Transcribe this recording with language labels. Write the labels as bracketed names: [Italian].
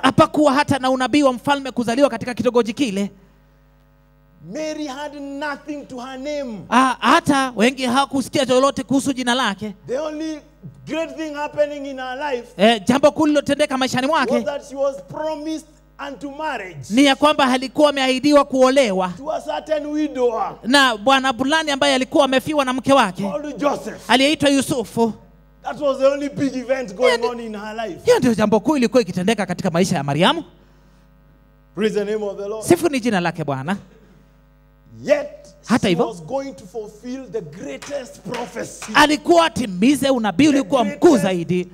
[Swahili] Hapakuwa hata na unabii wa mfalme kuzaliwa katika kitogoji kile. [English] Mary had nothing to her name. [Swahili] Hata wengi hawakusikia lolote kuhusu jina lake. [English] The only great thing happening in her life. [Swahili] Jambo kulilotendeka maishani mwake. [English] Was that she was promised unto marriage. [Swahili] Ni ya kwamba alikuwa ameahidiwa kuolewa. [English] To a certain widower. [Swahili] Na bwana fulani ambaye alikuwa amefiwa na mke wake. [English] Called Joseph. [Swahili] Aliyeitwa Yusufu. [English] That was the only big event going on in her life. [Swahili] Hiyo ndio jambo kuu lilikuwa kitendeka katika maisha ya Mariamu. [English] Praise the name of the Lord. [Swahili] Sifu ni jina lake bwana. [English] Yet she was going to fulfill the greatest prophecy. [Swahili] Alikuwa atimize unabii uliokuwa mkuu zaidi.